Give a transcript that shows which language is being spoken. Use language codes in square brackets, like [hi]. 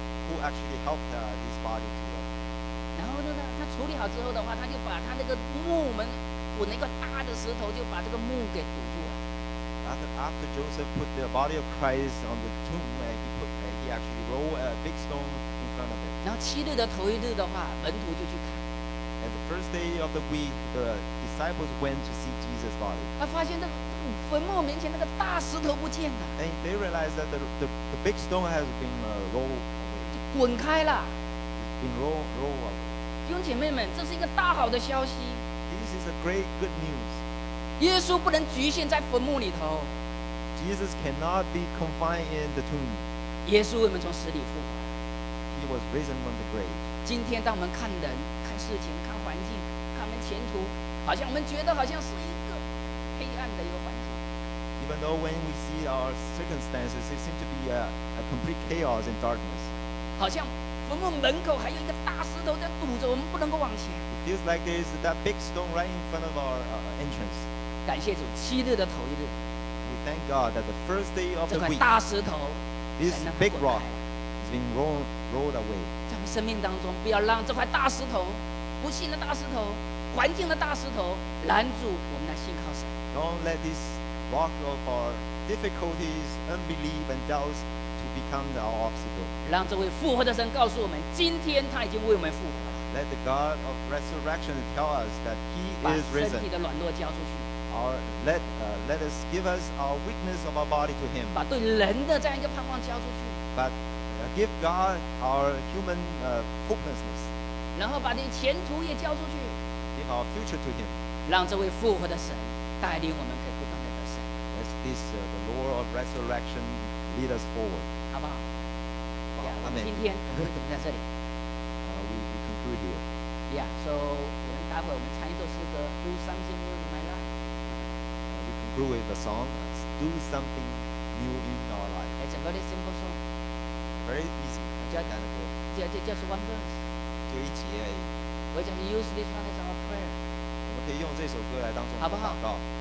[en] Who actually helped this body to him. [zh] 然后呢，他处理好之后的话， 他就把他那个木门， 滚了一个大的石头，就把这个木给堵住了。 [en] After Joseph put the body of Christ on the tomb, he actually rolled a big stone in front of it. [zh] 然后七日的头一日的话， 门徒就去看。 [en] And the first day of the week, the disciples went to see Jesus' body. [zh] 他发现那坟墓面前那个大石头不见了。 [en] And they realized that the big stone has been rolled away. [zh] 滚开了。 [en] It's been rolled away. [zh] 弟兄姐妹们， 这是一个大好的消息。 [en] This is a great good news. [zh] 耶稣不能局限在坟墓里头。 [en] Jesus cannot be confined in the tomb. [zh] 耶稣为我们从死里复活。 [en] He was risen from the grave. [zh] 今天当我们看人， 看事情， 看环境， 看我们前途， 好像我们觉得好像是一个黑暗的一个环境。 [en] Even though when we see our circumstances, it seems to be a complete chaos and darkness. [zh] 好像 坟墓门口还有一个大石头在堵着，我们不能够往前。 [en] It feels like there's that big stone right in front of our entrance. [zh] 感谢主， 七日的头一日， [en] we thank God that the first day of the week, [zh] 这块大石头， [en] this big rock has been rolled away. [zh] 在我们生命当中， 不要让这块大石头， 不幸的大石头， 环境的大石头， 拦住我们来信靠神。 [en] Don't let this rock of our difficulties, unbelief and doubts become our obstacle. [zh] 让这位复活的神告诉我们， 今天他已经为我们复活了。 [en] Let the God of resurrection tell us that he is risen. [zh] 把身体的软弱交出去。 [en] Let us give us our weakness of our body to him. [zh] 把对人的这样一个盼望交出去。 [en] But give God our human hopelessness. [zh] 然后把你前途也交出去。 [en] Give our future to him. [zh] 让这位复活的神带领我们可以不断的得胜。 [en] Let this the Lord of resurrection lead us forward. [zh] 好不好？我们今天在这里。 [en] We conclude here. Do something new in my life. We conclude with a song. Do something new in our life. It's a very simple song. Very easy. Just one verse. [zh] 就一节。 [en] We just use this one as our prayer. [zh] 我们可以用这首歌来当作祷告。